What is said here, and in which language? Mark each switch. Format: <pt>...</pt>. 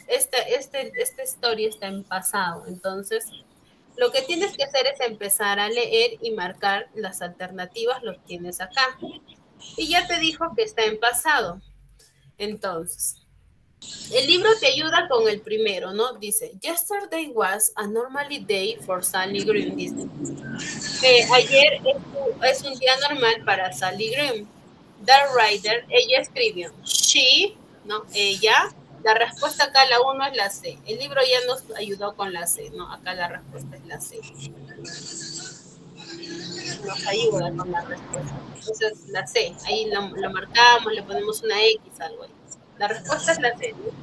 <es>Esta historia está en pasado, entonces lo que tienes que hacer es empezar a leer y marcar las alternativas, los tienes acá. Y ya te dijo que está en pasado. Entonces, el libro te ayuda con el primero, ¿no? Dice,</es> <en>yesterday was a normal day for Sally Green.</en> <es>Dice, ayer es un día normal para Sally Green.</es> <en>The writer,</en> <es>ella escribió, she, ¿no? Ella. La respuesta acá, la 1 es la C. El libro ya nos ayudó con la C, ¿no? Acá la respuesta es la C. Nos ayuda con la respuesta. Entonces, la C. Ahí lo marcamos, le ponemos una X, algo ahí. La respuesta es la C.</es>